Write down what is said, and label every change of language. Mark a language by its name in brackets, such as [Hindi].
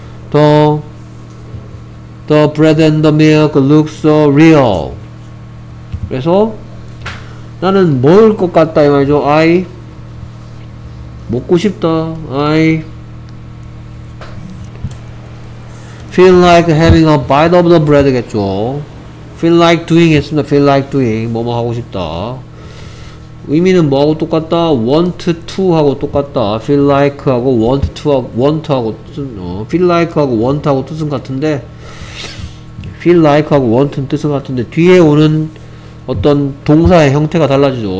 [English] The bread and the milk look so real. [Korean] 그래서 나는 먹을 것 같다 이 말이죠. I 먹고 싶다. [English] I feel like having a bite of the bread 겠죠. Feel like doing [Korean] 했습니다. Feel like doing 뭐뭐 하고 싶다. 의미는 뭐하고 똑같다? Want to 하고 똑같다. Feel like 하고 want to 하고 want 하고 뜻은 feel like 하고 want 하고 뜻은 같은데 feel like 하고 want은 뜻은 같은데 뒤에 오는 어떤 동사의 형태가 달라지죠.